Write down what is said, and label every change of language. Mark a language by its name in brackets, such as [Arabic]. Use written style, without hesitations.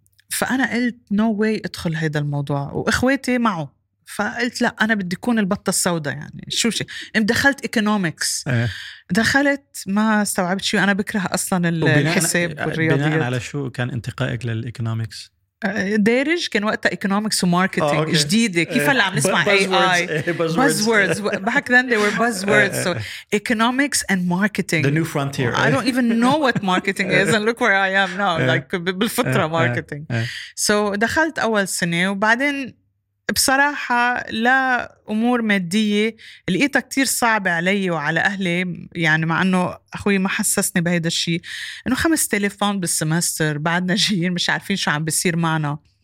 [Arabic] فأنا قلت no way ادخل هيدا الموضوع، وإخواتي معه، فقلت لا أنا بدي أكون البطة السوداء. يعني شو شي دخلت إيكونومكس، دخلت ما استوعبت شيء، أنا بكره أصلا الحساب والرياضيات. بناء على شو كان انتقائك للإيكونومكس؟ دارج كان وقتها إيكونومكس وماركتينج جديدة، كيف اللي عم نسمع AI [English] buzzwords back then they were buzzwords. So economics and marketing, the new frontier. I don't even know what marketing is and look where I am now. Like بالفترة marketing. [Arabic] So دخلت أول سنة، وبعدين بصراحة لا أمور مادية لقيتها كتير صعبة علي وعلى أهلي، يعني مع أنه أخوي ما حسسني بهيدا الشيء، أنه 5000 فاوند بالسمستر، بعدنا جايين مش عارفين شو عم بيصير معنا.